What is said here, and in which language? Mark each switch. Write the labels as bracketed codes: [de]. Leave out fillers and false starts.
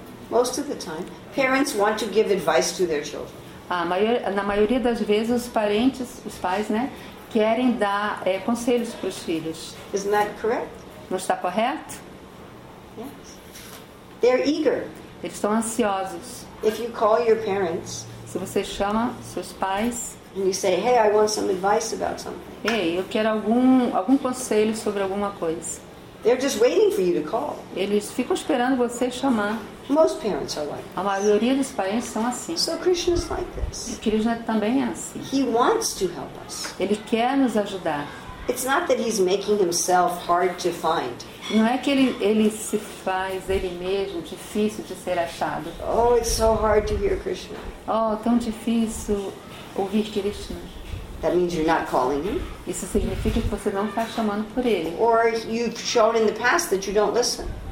[en] Most of the time, parents want to give advice to their children. [pt] Na maioria das vezes os parentes, os pais, né, querem dar conselhos para os filhos. [en] Isn't that correct? [pt] Não está correto? [en] Yes. They're eager. [pt] Eles estão ansiosos. [en] If you call your parents, [pt] se você chama seus pais, [en] and you say, "Hey, I want some advice about something." [pt] Ei, eu quero algum conselho sobre alguma coisa. [en] They're just waiting for you to call. [pt] Eles ficam esperando você chamar. [en] Most parents are like. [pt] A maioria dos parentes são assim. [en] So Krishna is like this. [pt] E Krishna também é assim. [en] He wants to help us. [pt] Ele quer nos ajudar. [en] It's not that he's making himself hard to find. [pt] Não é que ele se faz ele mesmo difícil de ser achado. [en] Oh, it's so hard to hear Krishna. [pt] Oh, tão difícil ouvir Krishna. [en] That means you're not calling him. [pt] Isso significa que você não está chamando por ele. [en] Or you've shown in the past that you don't listen.